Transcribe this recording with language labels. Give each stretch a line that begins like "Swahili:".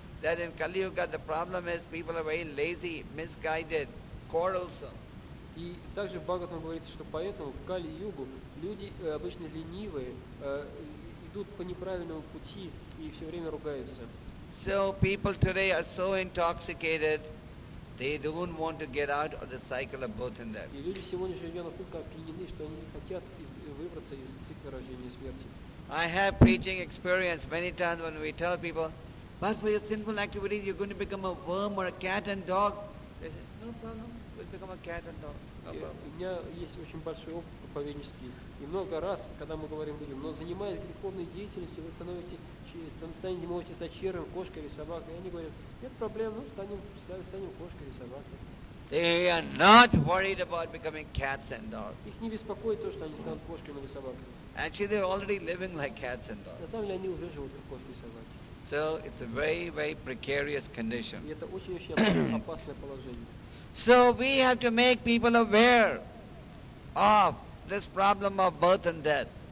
English: That in Kali Yuga the problem is people are very lazy, misguided, quarrelsome.
Russian: И также в Бхагаватам говорится, что поэтому в Кали-Югу люди обычно ленивые, идут по неправильному пути и все время ругаются.
English: So people today are so intoxicated, they don't want to get out of the cycle of birth and death.
Russian: И люди сегодня живут настолько опьянены, что они не хотят выбраться из цикла рождения и смерти.
English: I have preaching experience many times when we tell people, but for your sinful activities, you're going to become a worm or a cat and dog. They say, no problem.
Russian: У меня есть очень большой опыт проповеднический. И много раз, когда мы говорим людям, но занимаясь греховной деятельностью, вы можете стать черным, кошкой или собакой. И они говорят, нет проблем, ну станем кошкой или собакой.
English: They are not worried about becoming cats and dogs.
Russian: Их не беспокоит то, что они станут кошками или собаками.
English: Actually, they're already living like cats and dogs.
Russian: На самом деле, они уже живут как кошки и собаки.
English: So it's a very, very precarious condition.
Russian: И это очень-очень опасное положение.
English: So we have to make people aware of this problem of birth and death.